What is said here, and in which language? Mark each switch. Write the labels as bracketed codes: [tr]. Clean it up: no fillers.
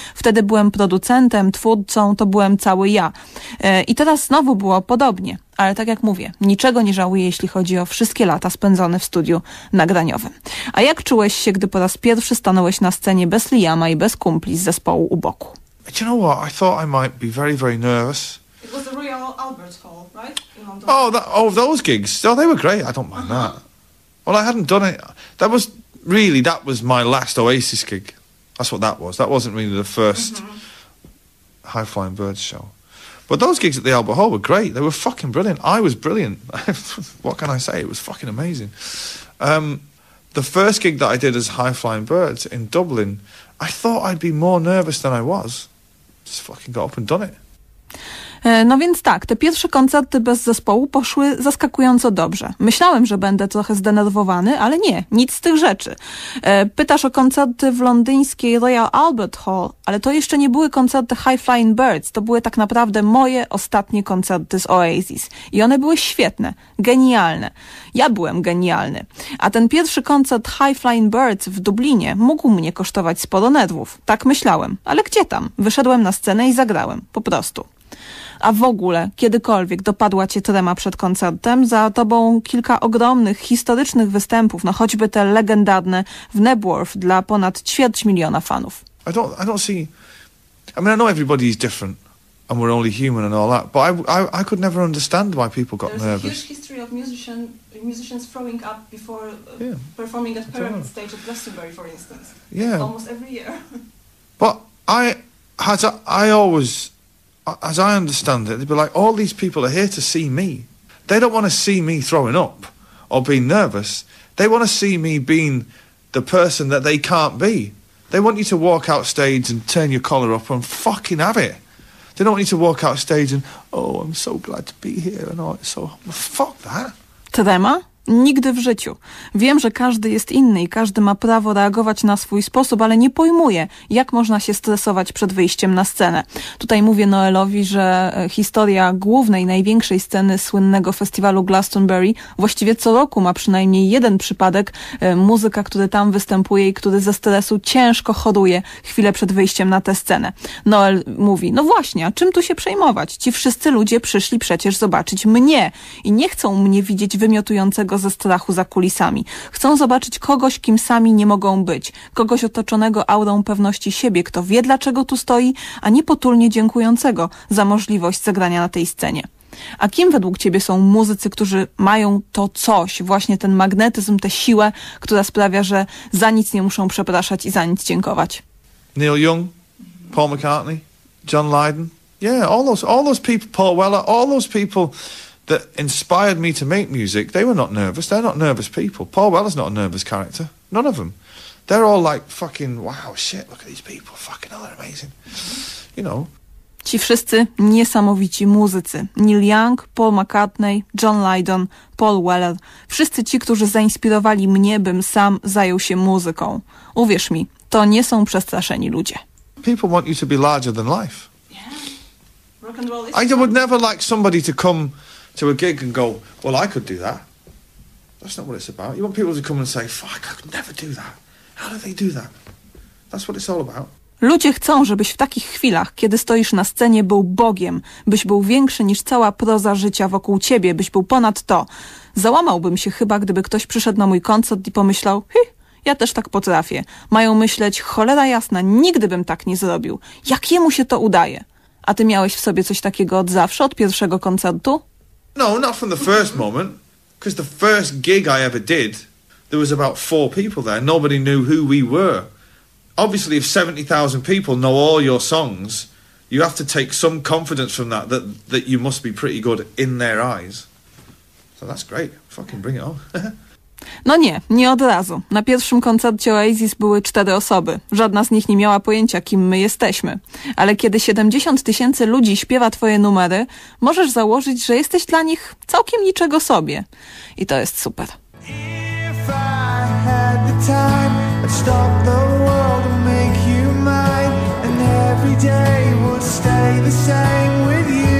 [pl] Wtedy byłem producentem, twórcą, to byłem cały ja. I teraz znowu było podobnie. Ale tak jak mówię, niczego nie żałuję, jeśli chodzi o wszystkie lata spędzone w studiu nagraniowym. A jak czułeś się, gdy po raz pierwszy stanąłeś na scenie bez Liama i bez kumpli z zespołu u boku? [en] Do you know what? I thought I might be very, very nervous. It was the Royal Albert Hall, right? In London. Those gigs. Oh, they were great. I don't mind that. Well, I hadn't done it. That was my last Oasis gig. That's what that was. That wasn't really the first High Flying Birds show. But those gigs at the Albert Hall were great. They were fucking brilliant. I was brilliant. What can I say? It was fucking amazing. The first gig that I did as High Flying Birds in Dublin, I thought I'd be more nervous than I was. Just fucking got up and done it. [pl] No więc tak, te pierwsze koncerty bez zespołu poszły zaskakująco dobrze. Myślałem, że będę trochę zdenerwowany, ale nie, nic z tych rzeczy. Pytasz o koncerty w londyńskiej Royal Albert Hall, ale to jeszcze nie były koncerty High Flying Birds, to były tak naprawdę moje ostatnie koncerty z Oasis. I one były świetne, genialne. Ja byłem genialny. A ten pierwszy koncert High Flying Birds w Dublinie mógł mnie kosztować sporo nerwów. Tak myślałem, ale gdzie tam? Wyszedłem na scenę i zagrałem, po prostu. A w ogóle, kiedykolwiek dopadła cię trema przed koncertem, za tobą kilka ogromnych, historycznych występów, no choćby te legendarne w Nebworth dla ponad ćwierć miliona fanów. [en] I mean, I know everybody is different and we're only human and all that, but I could never understand why people got There's nervous. There's a huge history of musicians throwing up before performing at current stage at Glastonbury, for instance. Yeah. Almost every year. But I always... As I understand it, they'd be like, all these people are here to see me. They don't want to see me throwing up or being nervous. They want to see me being the person that they can't be. They want you to walk out stage and turn your collar up and fucking have it. They don't want you to walk out stage and, oh, I'm so glad to be here and all. So, fuck that. [pl] Trema? Nigdy w życiu. Wiem, że każdy jest inny i każdy ma prawo reagować na swój sposób, ale nie pojmuję, jak można się stresować przed wyjściem na scenę. Tutaj mówię Noelowi, że historia głównej, największej sceny słynnego festiwalu Glastonbury właściwie co roku ma przynajmniej jeden przypadek muzyka, który tam występuje i który ze stresu ciężko choruje chwilę przed wyjściem na tę scenę. Noel mówi, no właśnie, a czym tu się przejmować? Ci wszyscy ludzie przyszli przecież zobaczyć mnie i nie chcą mnie widzieć wymiotującego ze strachu za kulisami. Chcą zobaczyć kogoś, kim sami nie mogą być. Kogoś otoczonego aurą pewności siebie, kto wie, dlaczego tu stoi, a nie potulnie dziękującego za możliwość zagrania na tej scenie. A kim według ciebie są muzycy, którzy mają to coś, właśnie ten magnetyzm, tę siłę, która sprawia, że za nic nie muszą przepraszać i za nic dziękować? [en] Neil Young, Paul McCartney, John Lydon. Yeah, all those people, Paul Weller, all those people that inspired me to make music, they were not nervous. They're not nervous people. Paul Weller's not a nervous character. None of them. They're all like fucking, wow, shit, look at these people. Fucking hell, they're amazing. You know. [pl] Ci wszyscy niesamowici muzycy. Neil Young, Paul McCartney, John Lydon, Paul Weller. Wszyscy ci, którzy zainspirowali mnie, bym sam zajął się muzyką. Uwierz mi, to nie są przestraszeni ludzie. [en] People want you to be larger than life. Yeah. Rock and roll is I would never like somebody to come to a gig and go, well, I could do that. That's not what it's about. You want people to come and say, fuck, I could never do that. How do they do that? That's what it's all about. [pl] Ludzie chcą, żebyś w takich chwilach, kiedy stoisz na scenie, był Bogiem, byś był większy niż cała proza życia wokół ciebie, byś był ponad to. Załamałbym się chyba, gdyby ktoś przyszedł na mój koncert i pomyślał, hi, ja też tak potrafię. Mają myśleć, cholera jasna, nigdy bym tak nie zrobił. Jak jemu się to udaje? A ty miałeś w sobie coś takiego od zawsze, od pierwszego koncertu? [en] No, not from the first moment, because the first gig I ever did, there was about four people there. Nobody knew who we were. Obviously, if 70,000 people know all your songs, you have to take some confidence from that, that you must be pretty good in their eyes. So that's great. Fucking bring it on. [pl] No nie, nie od razu. Na pierwszym koncercie Oasis były cztery osoby. Żadna z nich nie miała pojęcia, kim my jesteśmy. Ale kiedy 70 tysięcy ludzi śpiewa twoje numery, możesz założyć, że jesteś dla nich całkiem niczego sobie. I to jest super. [en] If I had the time, I'd stop the world and make you mine. And every day would stay the same with you.